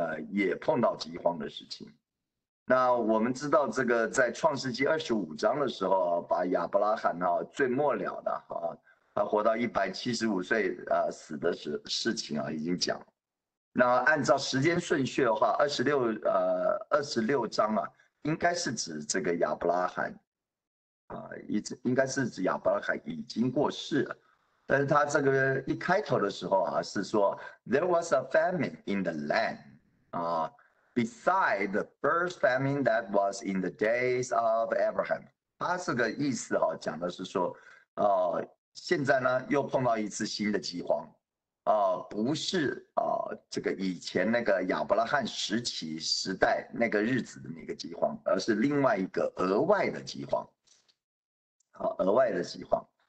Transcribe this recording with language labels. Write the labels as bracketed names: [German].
[Chinese] 也碰到饥荒的事情。那我们知道这个在创世纪二十五章的时候，把亚伯拉罕啊最末了的啊，他活到175岁死的事情啊已经讲。那按照时间顺序的话，二十六章啊，应该是指这个亚伯拉罕啊，应该是指亚伯拉罕已经过世了。但是他这个一开头的时候啊，是说 [English] There was a famine in the land, beside the first famine that was in the days of Abraham. [Chinese] 他这个意思啊，讲的是说，现在呢又碰到一次新的饥荒，不是这个以前那个亚伯拉罕时代那个日子的那个饥荒，而是另外一个额外的饥荒，额外的饥荒。